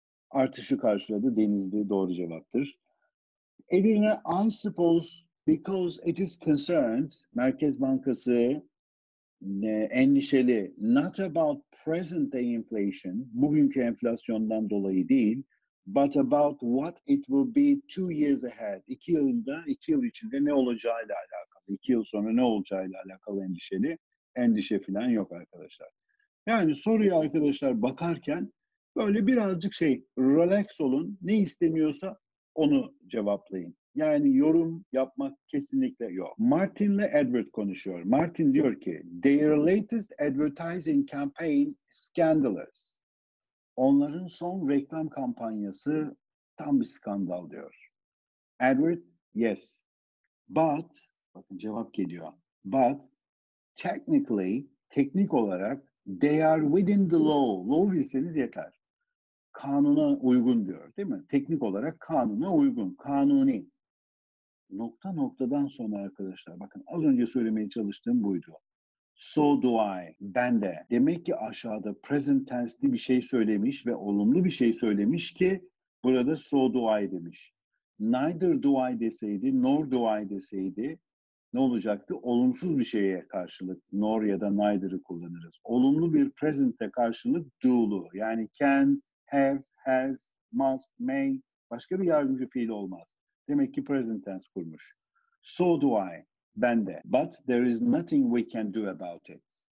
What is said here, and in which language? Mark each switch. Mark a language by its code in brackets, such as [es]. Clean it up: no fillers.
[tr] Artışı karşıladı, Denizli doğru cevaptır. Edirne, [en] I suppose, because it is concerned, [tr] Merkez Bankası, endişeli, [en] not about present day inflation, [tr] bugünkü enflasyondan dolayı değil, [en] but about what it will be 2 years ahead, [tr] 2 yıl içinde ne olacağıyla alakalı, 2 yıl sonra ne olacağıyla alakalı endişeli, endişe falan yok arkadaşlar. Yani soruyu arkadaşlar bakarken böyle birazcık şey, relax olun, ne istemiyorsa onu cevaplayın. Yani yorum yapmak kesinlikle yok. Martin ile Edward konuşuyor. Martin diyor ki, [en] their latest advertising campaign scandalous. [tr] Onların son reklam kampanyası tam bir skandal diyor. Edward, yes. But, bakın cevap geliyor. [en] But, technically, [tr] teknik olarak, [en] they are within the law. [tr] Law bilseniz yeter. Kanuna uygun diyor, değil mi? Teknik olarak kanuna uygun, kanuni. Nokta noktadan sonra arkadaşlar, bakın az önce söylemeye çalıştığım buydu. [en] So do I, [tr] ben de. Demek ki aşağıda present tense'li bir şey söylemiş ve olumlu bir şey söylemiş ki burada so do I demiş. Neither do I deseydi, nor do I deseydi ne olacaktı? Olumsuz bir şeye karşılık nor ya da neither'ı kullanırız. Olumlu bir present'e karşılık do'lu. Yani can, have, has, must, may, başka bir yardımcı fiil olmaz. Demek ki present tense kurmuş. So do I. Ben de. [en] But there is nothing we can do about it.